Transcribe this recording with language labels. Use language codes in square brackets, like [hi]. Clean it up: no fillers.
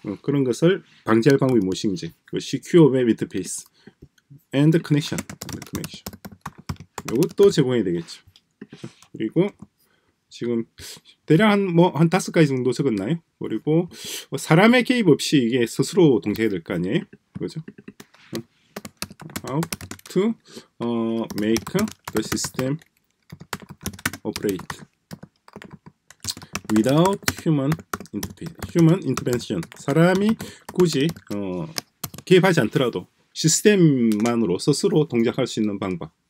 [ko] 그런 것을 방지할 방법이 무엇인지, [en] Secure Web Interface and Connection. Connection. [ko] 이것도 제공해야 되겠죠. 그리고 지금 대략 한 다섯 가지 정도 적었나요? 그리고 사람의 개입 없이 이게 스스로 동작해야 될 거 아니에요? 그죠? [en] How to make the system operate without human intervention. [ko] 사람이 굳이 개입하지 않더라도 시스템만으로 스스로 동작할 수 있는 방법.